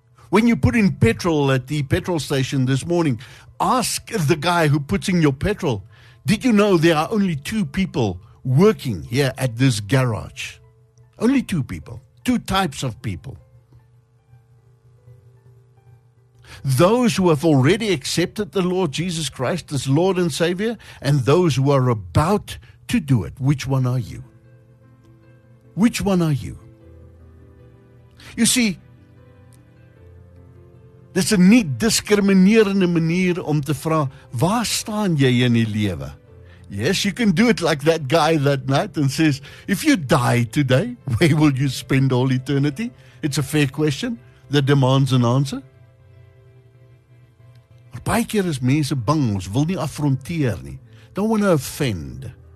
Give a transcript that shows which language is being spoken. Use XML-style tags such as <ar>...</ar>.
<en>When you put in petrol at the petrol station this morning, ask the guy who puts in your petrol, did you know there are only two people working here at this garage? Only two people, two types of people. Those who have already accepted the Lord Jesus Christ as Lord and Savior, and those who are about to do it. Which one are you? Which one are you?</en> <af>You see, dis 'n nie diskriminerende manier om te vra, waar staan jy in die lewe?</af> <en>Yes, you can do it like that guy that night and says, if you die today, where will you spend all eternity? It's a fair question that demands an answer.</en> <af>Maar baie keer is mense bang, ons wil nie affronteer nie.</af> <en>Don't want to offend.</en>